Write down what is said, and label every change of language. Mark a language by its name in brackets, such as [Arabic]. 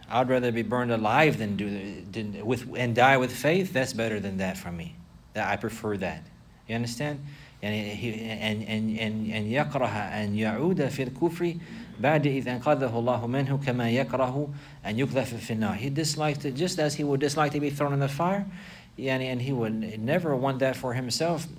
[English] I'd rather be burned alive than and die with faith. That's better than that for me. That I prefer that. You understand? [Arabic] And يكره أن يعود في الكفر بعد إذا قذفه الله منه كما يكره أن يقذف في النار. [English] He disliked it just as he would dislike to be thrown in the fire. And he would never want that for himself.